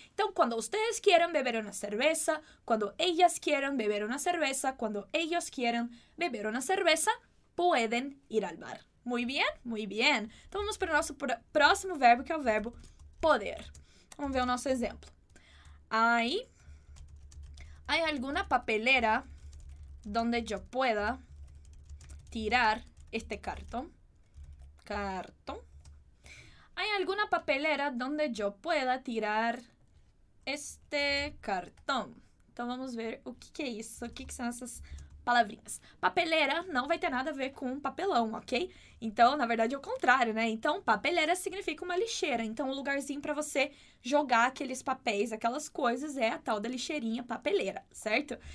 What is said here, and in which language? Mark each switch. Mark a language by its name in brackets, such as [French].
[Portuguese] Então, quando [Spanish] ustedes quieran beber una cerveza, quando ellas quieran beber una cerveza, quando ellos quieran beber una cerveza, pueden ir al bar. Muy bien, muy bien. [Portuguese] Então, vamos para o nosso próximo verbo, que é o verbo poder. Vamos ver o nosso exemplo. [Spanish] ¿Hay alguna papelera donde yo pueda tirar este cartón? ¿Cartón? ¿Hay alguna papelera donde yo pueda tirar este cartón? [Portuguese] Então, vamos ver o que, que é isso, o que, que são essas palavrinhas. Papelera não vai ter nada a ver com papelão, ok? Então, na verdade, é o contrário, né? Então, papelera significa uma lixeira. Então, o lugarzinho para você jogar aqueles papéis, aquelas coisas, é a tal da lixeirinha papelera, certo?